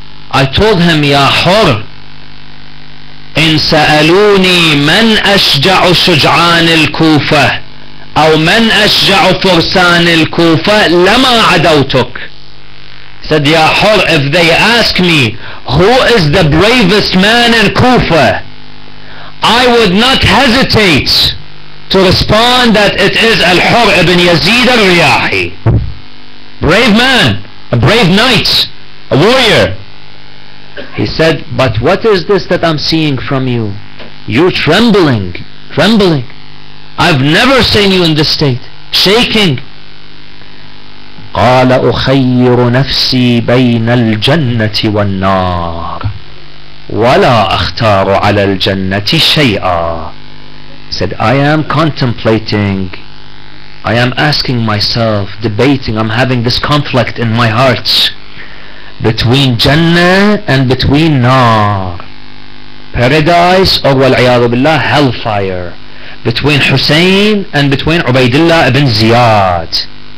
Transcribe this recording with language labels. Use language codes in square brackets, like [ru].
[en] I told him, [ar] Ya Hur, إن سألوني من أشجع شجعان الكوفة أو من أشجع فرسان الكوفة لما عدوتك. [en] Said, Ya Hur, if they ask me who is the bravest man in Kufa, I would not hesitate to respond that it is Al-Hur ibn Yazid al-Riyahi. Brave man, a brave knight, a warrior. He said, but what is this that I'm seeing from you? You trembling. I've never seen you in this state, shaking. [ar] قال أخير نفسي بين الجنة والنار ولا أختار على الجنة شيئا. [en] Said, I am contemplating, I am asking myself, debating, I'm having this conflict in my heart between Jannah and between Nar, paradise or wal'iyadu billah, hellfire, between Hussein and between Ubaidillah ibn Ziyad.